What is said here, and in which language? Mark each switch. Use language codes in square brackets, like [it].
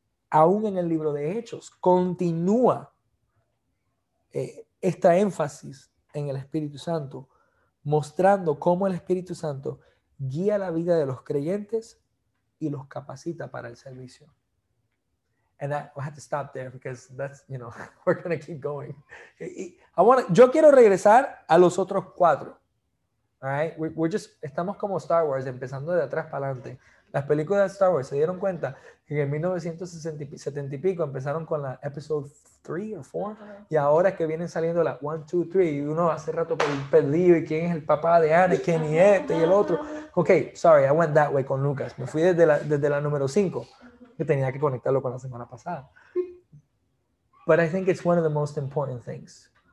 [es] Aún en el libro de Hechos, continúa esta énfasis en el Espíritu Santo, mostrando cómo el Espíritu Santo guía la vida de los creyentes y los capacita para el servicio. [en] And that, we'll have to stop there because that's, you know, we're going to keep going. [es] Yo quiero regresar a los otros cuatro. [en] All right? [es] Estamos como Star Wars, empezando de atrás para adelante. Las películas de Star Wars, ¿se dieron cuenta? Que en 1970 y pico empezaron con la episode 3 o 4. Y ahora que vienen saliendo las 1, 2, 3. Y uno hace rato perdido. ¿Y quién es el papá de Anakin? Y este y el otro. [en] Ok, sorry, I went that way [es] con Lucas. Me fui desde la número 5. Que tenía que conectarlo con la semana pasada. [en] But I think it's one of the most important things.